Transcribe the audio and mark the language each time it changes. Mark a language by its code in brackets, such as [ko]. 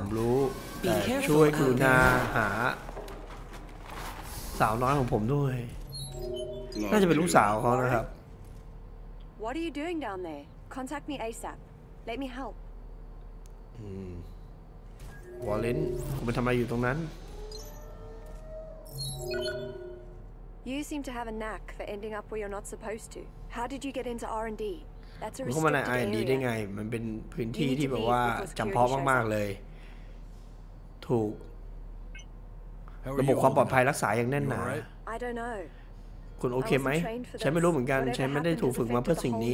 [th] ผมรู้แต่ช่วยกรุณาหาสาวน้อยของผมด้วยน่าจะเป็นลูกสาวเขานะครับ [en] What are you doing down there? Contact me ASAP. Let me help. [th] วอลเลนคุณไปทำอะไรอยู่ตรงนั้น [en] You seem to have a knack for ending up where you're not supposed to. How did you get into R&D? That's a restricted area. [th] ผมว่าใน R&D ได้ไงมันเป็นพื้นที่ที่แบบว่าจำเพาะมากๆเลยถูกระบบความปลอดภัยรักษาอย่างแน่นหนา [en] I don't know. [th] คุณโอเคไหมฉันไม่รู้เหมือนกันฉันไม่ได้ถูกฝึกมาเพื่อสิ่งนี